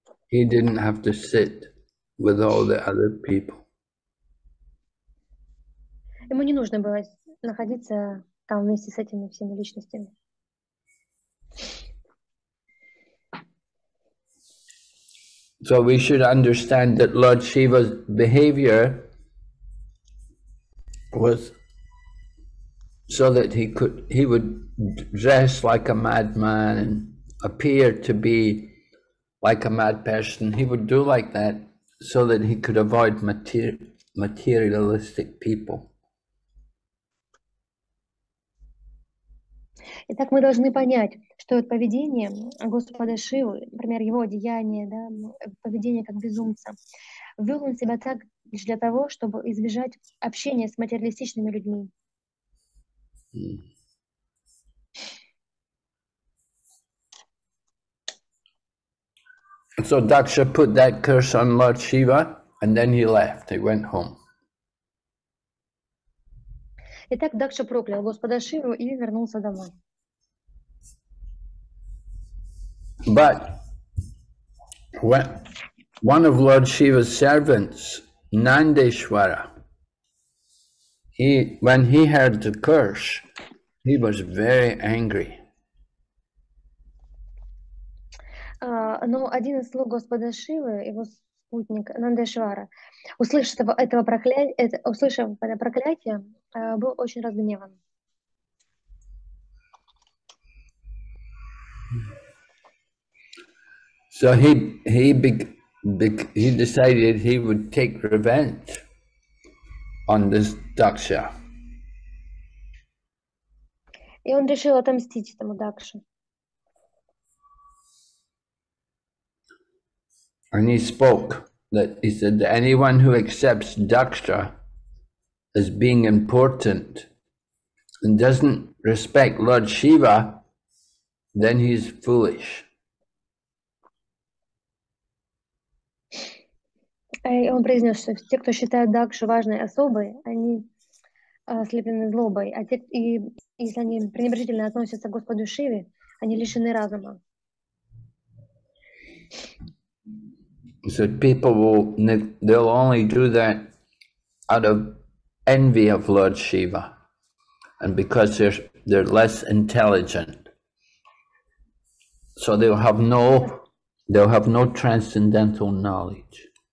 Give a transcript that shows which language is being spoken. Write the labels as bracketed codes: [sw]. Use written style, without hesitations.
[en] He didn't have to sit with all the other people. [ru] Ему не нужно было находиться там вместе с этими всеми личностями. [en] So we should understand that Lord Shiva's behavior was so that he would dress like a madman and appear to be like a mad person. He would do like that so that he could avoid materialistic people. [ru] Итак, мы должны понять, что вот поведение Господа Шивы, например, его деяние, да, поведение как безумца, вел он себя так лишь для того, чтобы избежать общения с материалистичными людьми. [en] So Daksha put that curse on Lord Shiva, and then he left, he went home. [ru] Итак, Дакша проклял Господа Шиву и вернулся домой. [en] But when one of Lord Shiva's servants, Nandeshwara, when he heard the curse, he was very angry. [ru] Но один из слуг Господа Шивы, его спутник Нандешвара, услышав это проклятие, был очень разгневан. [en] So he decided he would take revenge on this Daksha. [ru] И он решил отомстить этому Дакше. [en] And he spoke that he said that anyone who accepts Daksha as being important and doesn't respect Lord Shiva, then he's foolish. [ru] И он произнес, что те, кто считают Дакшу важной особой, они ослеплены злобой, а те, и если они пренебрежительно относятся к Господу Шиве, они лишены разума. [en] So people they'll only do that out of envy of Lord Shiva, and because they're less intelligent, so they'll have no transcendental knowledge.